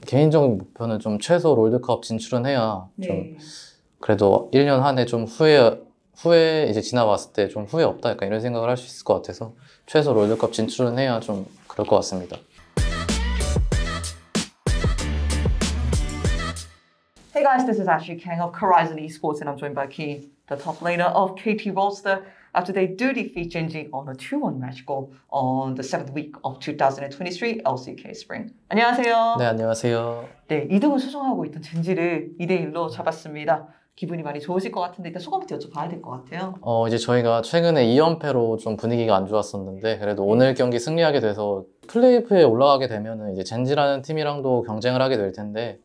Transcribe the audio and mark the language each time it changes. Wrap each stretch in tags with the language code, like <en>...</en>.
<ko>개인적인 목표는 좀 최소 롤드컵 진출은 해야 좀 네. 그래도 1년 한해 좀 후회 이제 지나봤을 때좀 후회 없다 약간 이런 생각을 할수 있을 것 같아서 최소 롤드컵 진출은 해야 좀 그럴 것 같습니다.</ko> <en>Hey guys, this is Ashley Kang of Horizon Esports, and I'm joined by Key, the top laner of KT roster. After they do defeat Gen.G on a 2-1 match goal on the 7th week of 2023 LCK Spring.</en> <ko>네, 안녕하세요. 안녕하세요. 네, 2등을 수정하고 있던 Gen.G를 2-1로 잡았습니다. 기분이 많이 좋으실 것 같은데 일단 소감부터 여쭤봐야 될것 같아요. 이제 저희가 최근에 2연패로 좀 분위기가 안 좋았었는데, 그래도 오늘 네. 경기 승리하게 돼서, 플레이오프에 올라가게 되면은 이제 젠지라는 팀이랑도 경쟁을 하게 될 텐데,</ko>